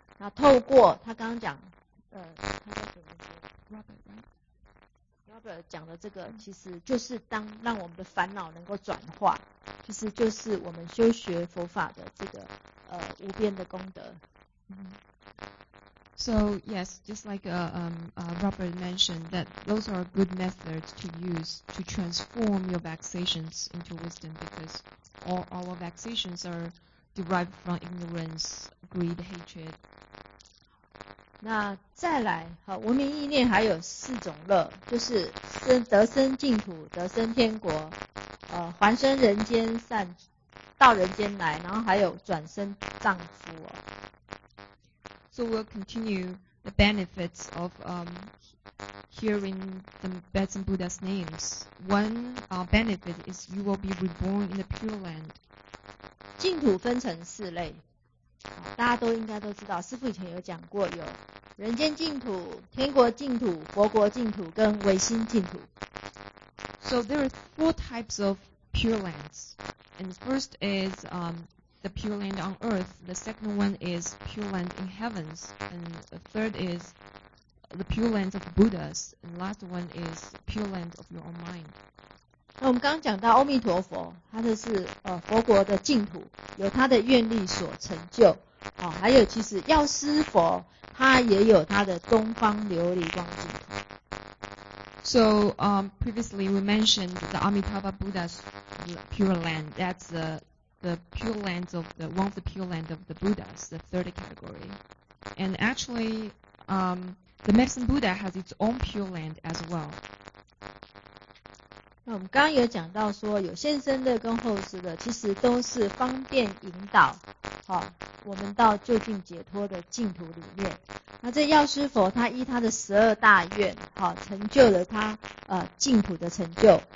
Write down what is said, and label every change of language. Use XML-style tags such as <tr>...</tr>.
<zh>那透过他刚刚讲，他叫什么名字</zh> <en>？Robert</en> <zh>讲的这个，其实就是当让我们的烦恼能够转化，其实就是我们修学佛法的这个无边的功德。</zh> <en>So yes, just like Robert mentioned, that those are good methods to use to transform your vexations into wisdom, because all our vexations are derived from ignorance, greed, hatred.</en> <zh>那再来，好，无明意念还有四种乐，就是得生净土，得生天国，还生人间善，到人间来，然后还有转生丈夫。</zh> <en>So we'll continue the benefits of hearing the Medicine Buddha's names. One benefit is you will be reborn in the Pure Land.</en> <zh>净土分成四类，大家都应该都知道，师父以前有讲过，有人间净土、天国净土、佛国净土跟唯心净土。</zh> <en>So there are four types of pure lands. And the first is the pure land on earth. The second one is pure land in heavens. And the third is the pure land of Buddhas. And the last one is pure land of your own mind.</en> <zh>那我们刚刚讲到阿弥陀佛，他这是佛国的净土，有他的愿力所成就。好，还有其实药师佛，他也有他的东方琉璃光净土。</zh> <en>So, previously we mentioned the Amitabha Buddha's pure land. That's the pure land of the one of the pure land of the Buddhas, the third category. And actually, the Medicine Buddha has its own pure land as well.</en> <zh>那我们刚刚有讲到说有现身的跟后世的其实都是方便引导好我们到究竟解脱的净土里面。那这药师佛他依他的十二大愿好成就了他净土的成就。</zh>